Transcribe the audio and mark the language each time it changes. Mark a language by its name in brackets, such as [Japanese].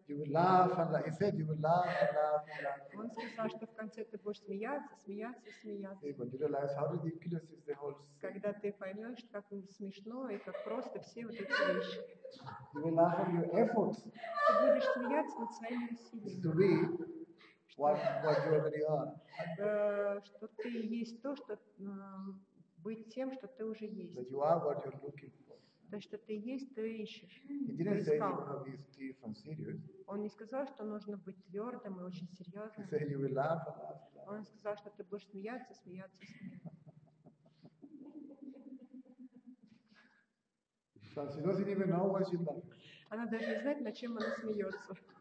[English] You will laugh and laugh. He said, you will laugh and laugh and laugh. [Russian] Он сказал, что в конце ты будешь смеяться, смеяться, смеяться. [English] When you realize how ridiculous is the whole thing. [Russian] Когда ты поймешь, как смешно и как просто все вот эти вещи. [English] You will laugh at your efforts. [Russian] Ты будешь смеяться над своими усилиями. [English] To be. What you already are. [Russian] Что ты есть то, что быть тем, что ты уже есть. [English] That you are what you're looking for. [Russian] То, что ты есть, ты ищешь. [English] He didn't say you have to be stiff and serious. [Russian] Он не сказал, что нужно быть твердым и очень серьезным. [English] He said you will laugh and laugh. [Russian] Он сказал, что ты будешь смеяться, смеяться, смеяться. [English] She doesn't even know what she laughs. [Russian] Она даже не знает, над чем она смеется.